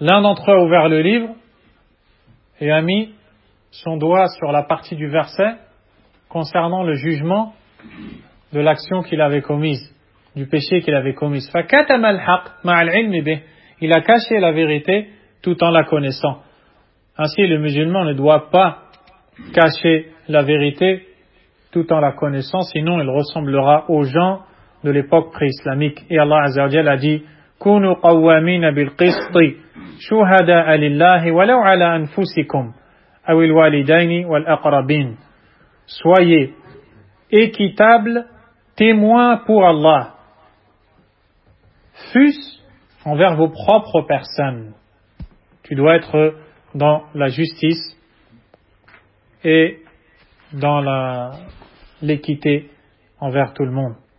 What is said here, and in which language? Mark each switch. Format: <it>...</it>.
<fr>L'un d'entre eux a ouvert le livre et a mis son doigt sur la partie du verset concernant le jugement de l'action qu'il avait commise, du péché qu'il avait commis.</fr> <ar>فَكَتَمَ الْحَقِّ مَعَ الْعِلْمِ بِهِ.</ar> <fr>Il a caché la vérité tout en la connaissant. Ainsi, le musulman ne doit pas cacher la vérité tout en la connaissant, sinon il ressemblera aux gens de l'époque pré-islamique.</fr> <ar>Et Allah Azza wa Jalla</ar> <fr>a dit</fr> <ar>كُنُوا قَوَّامِينَ بِالْقِسْطِ شُهَدَاءَ لِلَّهِ وَلَوْ عَلَىٰ أَنفُسِكُمْ أَوِ الْوَالِدَيْنِ وَالْأَقْرَبِينَ.</ar> <fr>Soyez équitables témoins pour Allah, fût-ce envers vos propres personnes. Tu dois être dans la justice et dans l'équité envers tout le monde.</fr>